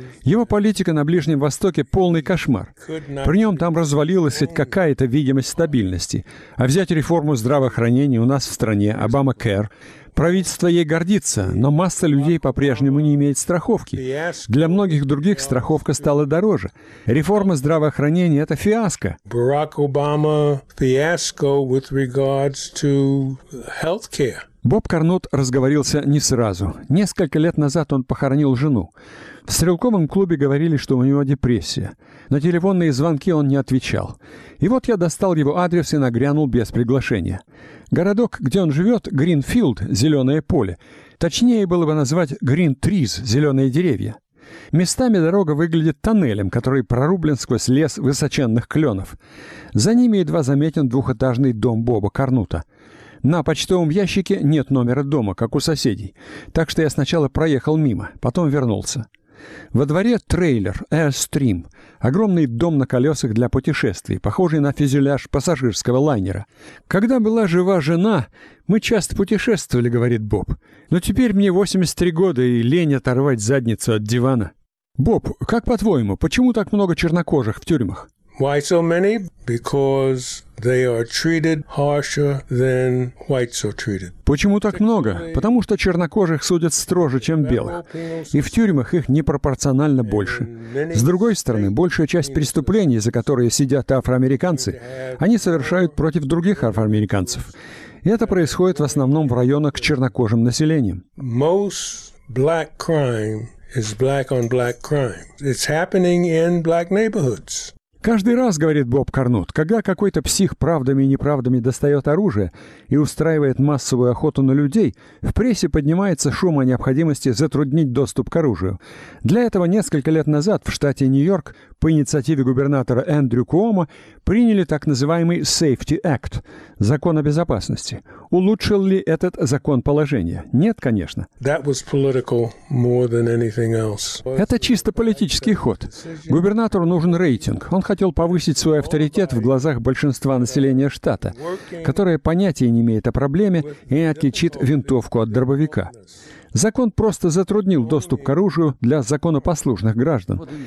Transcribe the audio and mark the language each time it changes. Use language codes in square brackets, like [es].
[ru] Его политика на Ближнем Востоке — полный кошмар. При нем там развалилась хоть какая-то видимость стабильности. А взять реформу здравоохранения у нас в стране, Обама-кэр, правительство ей гордится, но масса людей по-прежнему не имеет страховки. Для многих других страховка стала дороже. Реформа здравоохранения — это фиаско. Барак Обама — фиаско [en] with regards to healthcare. [ru] Боб Карнот разговорился не сразу. Несколько лет назад он похоронил жену. В стрелковом клубе говорили, что у него депрессия. На телефонные звонки он не отвечал. И вот я достал его адрес и нагрянул без приглашения. Городок, где он живет, Гринфилд, зеленое поле. Точнее было бы назвать Грин-Триз, зеленые деревья. Местами дорога выглядит тоннелем, который прорублен сквозь лес высоченных кленов. За ними едва заметен двухэтажный дом Боба Карнута. На почтовом ящике нет номера дома, как у соседей. Так что я сначала проехал мимо, потом вернулся. Во дворе трейлер Airstream, огромный дом на колесах для путешествий, похожий на фюзеляж пассажирского лайнера. «Когда была жива жена, мы часто путешествовали», — говорит Боб. «Но теперь мне 83 года, и лень оторвать задницу от дивана». Боб, как по-твоему, почему так много чернокожих в тюрьмах? [en] Why so many? Because they are treated harsher than whites are treated. [ru] Почему так много? Потому что чернокожих судят строже, чем белых. И в тюрьмах их непропорционально больше. С другой стороны, большая часть преступлений, за которые сидят афроамериканцы, они совершают против других афроамериканцев. И это происходит в основном в районах с чернокожим населением. [en] Most black crime is black on black crime. It's happening in black neighborhoods. [ru] Каждый раз, говорит Боб Карнут, когда какой-то псих правдами и неправдами достает оружие и устраивает массовую охоту на людей, в прессе поднимается шум о необходимости затруднить доступ к оружию. Для этого несколько лет назад в штате Нью-Йорк по инициативе губернатора Эндрю Куомо приняли так называемый Safety Act – закон о безопасности. Улучшил ли этот закон положение? Нет, конечно. [en] That was political more than anything else. [ru] Это чисто политический ход. Губернатору нужен рейтинг. Он хотел повысить свой авторитет в глазах большинства населения штата, которое понятия не имеет о проблеме и отличит винтовку от дробовика. Закон просто затруднил доступ к оружию для законопослушных граждан.